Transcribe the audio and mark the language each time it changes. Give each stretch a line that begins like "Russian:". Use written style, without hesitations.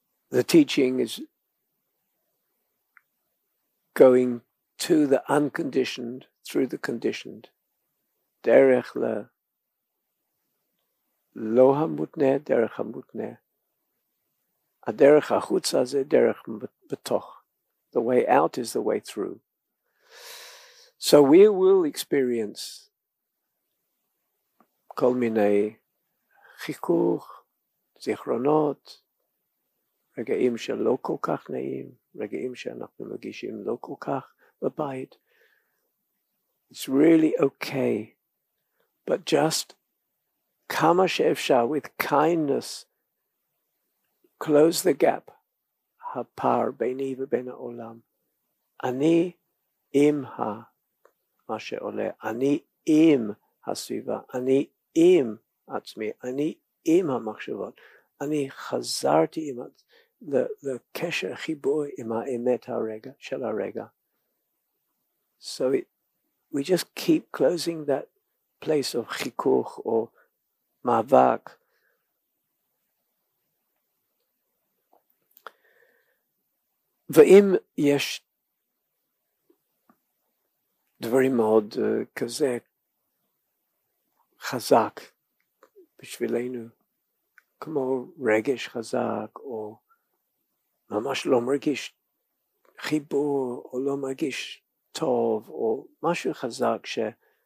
English: The teaching is going to the unconditioned through the conditioned.
Hebrew: דרך ל... לא המותנה, דרך המותנה. הדרך החוצה זה דרך בתוך.
English: The way out is the way through. So we will experience
Hebrew: כל מיני חיכוך, זיכרונות, רגעים שלא כל כך נעים, רגעים שאנחנו מגישים לא כל כך בבית.
English: It's really okay, but just
Hebrew: כמה שאפשר,
English: with kindness, close the gap,
Hebrew: הפער ביני ובין העולם. אני עם מה שעולה, אני עם הסביבה, אני עם עצמי, אני עם המחשבות. אני חזרתי עם, לקשר חיבור עם האמת הרגע, של הרגע.
English: So we just keep closing that place of חיכוך or מאבק.
Hebrew: ואם יש דברים מאוד כזה חזק בשבילנו, כמו רגש חזק, או ממש לא מרגיש חיבור, או לא מרגיש טוב, או משהו חזק שקשה